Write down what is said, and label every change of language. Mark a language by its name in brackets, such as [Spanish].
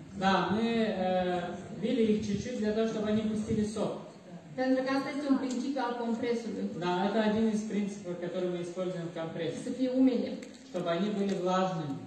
[Russian] Да, мы били их чуть-чуть для того, чтобы они пустили сок. [Romanian] Pentru că asta este un principiu al compresului. [Russian] Da, это один из принципов, который мы используем в компрессе. [Romanian] Să fie umede. [Russian] Чтобы они были влажными.